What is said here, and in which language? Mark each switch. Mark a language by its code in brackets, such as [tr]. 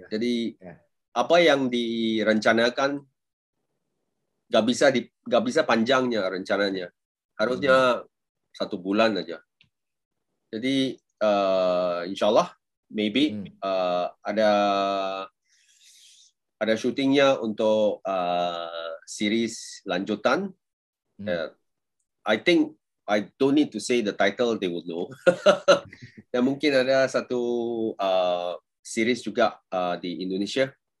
[id] Jadi apa yang direncanakan nggak bisa panjangnya rencananya. Harusnya satu bulan aja. Jadi insya Allah maybe ada syutingnya untuk series lanjutan. [en] I don't need to say the title, they would know. [id] Dan mungkin ada satu series juga di Indonesia.